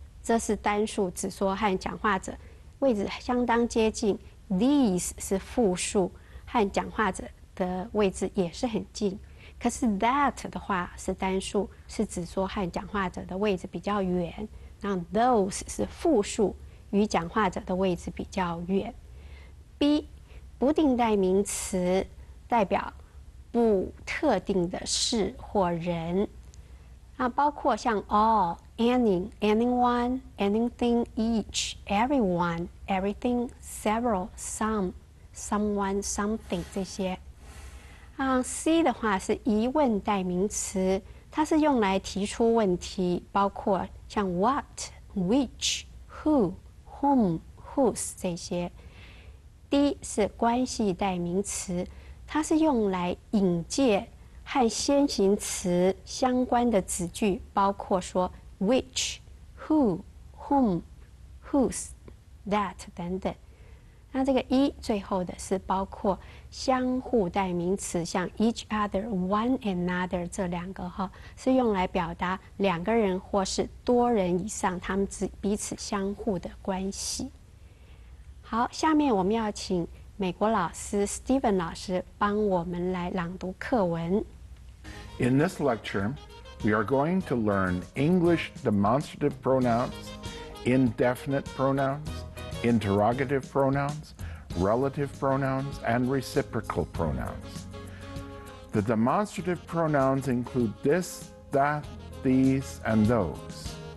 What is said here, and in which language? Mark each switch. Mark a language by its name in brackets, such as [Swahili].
[Chinese] 这是单数指说和讲话者位置相当接近， these 是复数和讲话者的位置也是很近，可是 that 的话是单数，是指说和讲话者的位置比较远，那 those 是复数，与讲话者的位置比较远。 B，不定代名词代表不特定的事或人，那包括像 all、 any、 anyone、 anything、 each、 everyone、 everything、 several、 some、 someone、 something 这些。 C 的话是疑问代名词，它是用来提出问题，包括像 what、 which、 who、 whom、 whose 这些。 D 是关系代名词，它是用来引介和先行词相关的子句，包括说 which、 who、 whom、 whose、 that 等等。那这个 E 最后的是包括相互代名词，像 each other、 one another 这两个哈，是用来表达两个人或是多人以上他们彼此相互的关系。好，下面我们要请美国老师 Steven 老师帮我们来朗读课文。 [English] In this lecture, we are going to learn English demonstrative pronouns, indefinite pronouns, interrogative pronouns, relative pronouns, and reciprocal pronouns. The demonstrative pronouns include this, that, these, and those.